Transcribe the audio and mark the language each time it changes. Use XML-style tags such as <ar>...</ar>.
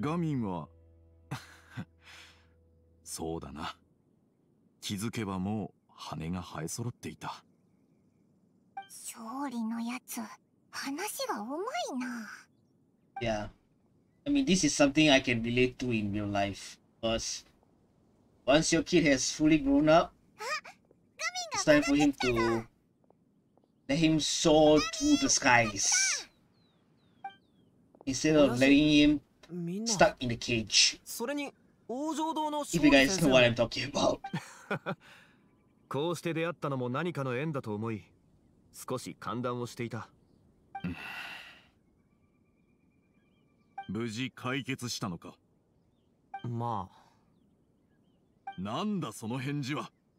<ja>ガミンはそうだな、気づけばもう羽が生え揃っていた。勝利のやつ話がうまいな。</ja> <en>Yeah, I mean this is something I can relate to in real life. Because once your kid has fully grown up, it's time for him to let him soar to the skies instead of letting him stuck in the cage.</en> <ja>それに王城堂の</ja> <en>If you guys know what I'm talking about.</en> <ja>こうして出会ったのも何かの縁だと思い、少し歓談をしていた。無事解決したのか。まあ。なんだその返事は。</ja>